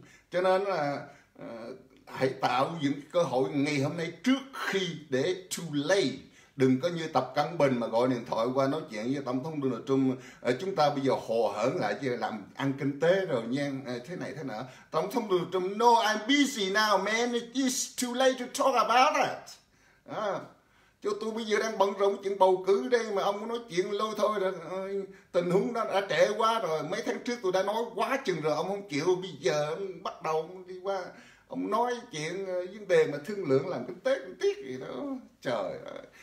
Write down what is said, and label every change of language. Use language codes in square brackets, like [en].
[vi] Cho nên là hãy tạo những cơ hội ngày hôm nay trước khi để [en] too late, [vi] Đừng có như Tập Cận Bình mà gọi điện thoại qua nói chuyện với Tổng thống Donald Trump. Chúng ta bây giờ hồ hởn lại chứ làm ăn kinh tế rồi nha. Thế này thế nọ. Tổng thống Donald Trump, [en] no, I'm busy now, man. It's too late to talk about it. [vi] Cho tôi bây giờ đang bận rộn chuyện bầu cử đây mà ông có nói chuyện lôi thôi rồi. Tình huống nó đã trễ quá rồi. Mấy tháng trước tôi đã nói quá chừng rồi. Ông không chịu bây giờ bắt đầu đi qua. Ông nói chuyện vấn đề mà thương lượng làm kinh tế cũng tiếc gì đó. Trời ơi.